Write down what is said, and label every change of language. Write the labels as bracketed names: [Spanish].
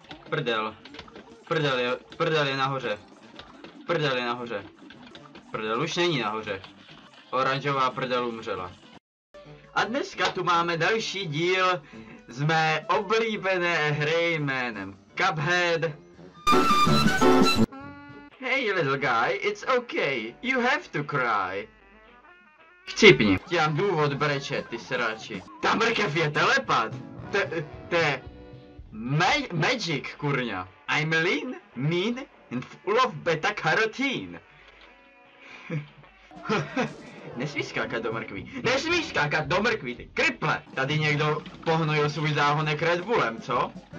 [Czech] Prdel. Prdel je nahoře. Prdel je nahoře. Prdel už není nahoře. Oranžová prdel umřela. A dneska tu máme další díl z mé oblíbené hry jménem Cuphead. [English] Hey little guy, it's okay, you have to cry. [Czech] Chcípni. Já mám důvod brečet, ty sráči. Ta mrkev je telepat. To je... Magic, kurňa. [English] I'm lean, mean, and full of beta-carotene. [Czech] Nesmíš skákat do mrkví. Nesmíš skákat do mrkví, ty kriple. Tady někdo pohnojil svůj záhonek Red Bullem, co?